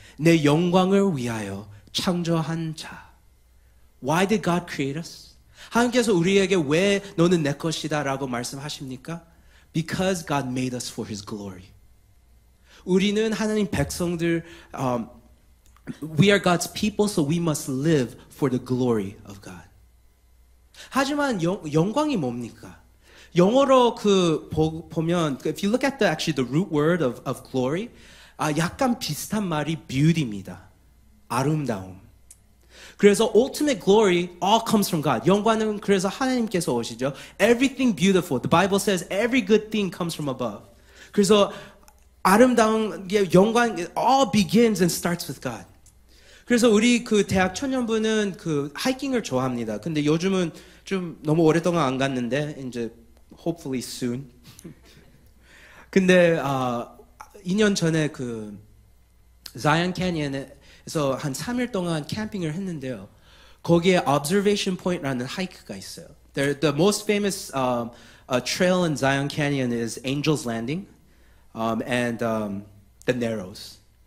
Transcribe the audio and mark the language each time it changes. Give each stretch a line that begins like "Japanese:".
Korean: 내 영광을 위하여 창조한 자.
English: Why did God create us?
Korean: 하나님께서 우리에게 왜 너는 내 것이다 라고 말씀하십니까?
English: Because God made us for His glory.
Korean: 우리는 하나님 백성들,
English: we are God's people, so we must live for the glory of God.
Korean: 하지만 영광이 뭡니까? 영어로 그 보면
English: if you look at the actually the root word of glory
Korean: 약간 비슷한 말이 beauty입니다. 아름다움. 그래서
English: ultimate glory all comes from God.
Korean: 영광은 그래서 하나님께서 오시죠.
English: Everything beautiful. The Bible says every good thing comes from above.
Korean: 그래서 아름다운 영광
English: it all begins and starts with God.
Korean: 그래서 우리 그 대학 청년부는 그 하이킹을 좋아합니다. 근데 요즘은 좀 너무 오랫동안 안 갔는데 이제
English: Hopefully soon.
Korean: 근데 2년 전에 그 자이언 캐니언에서 한 3일 동안 캠핑을 했는데요. 거기에 Observation Point라는 하이크가 있어요.
English: They're the most famous trail in Zion Canyon is Angel's Landing and the Narrows.